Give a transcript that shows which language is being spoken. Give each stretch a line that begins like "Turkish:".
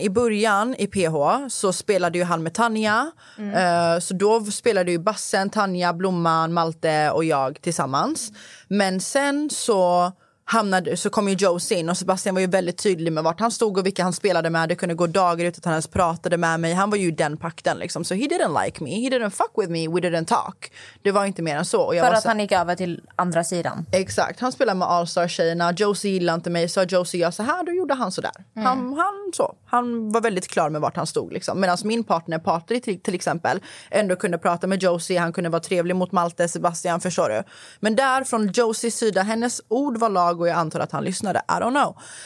Swedish: I början, i PH, så spelade ju han med Tanja. Så då spelade ju Bassen, Tanja, Blomman, Malte och jag tillsammans. Men sen så hamnade, så kom ju Josie in, och Sebastian var ju väldigt tydlig med vart han stod och vilka han spelade med. Det kunde gå dagar utan att han ens pratade med mig. Han var ju den pakten liksom.
English: Så he didn't like me, he didn't fuck with me, we didn't talk.
Swedish: Det var inte mer än så. Och jag han gick över till andra sidan. Exakt, han spelade med All-Star-tjejerna. Josie gillade inte mig, så Josie gör så här, då gjorde han så där. Mm. Han var väldigt klar med vart han stod liksom. Medan min partner, Patrik till exempel, ändå kunde prata med Josie. Han kunde vara trevlig mot Malte, Sebastian, förstår du. Men där från Josies sida, hennes ord var lag och jag antar att han lyssnade.
English: I don't know.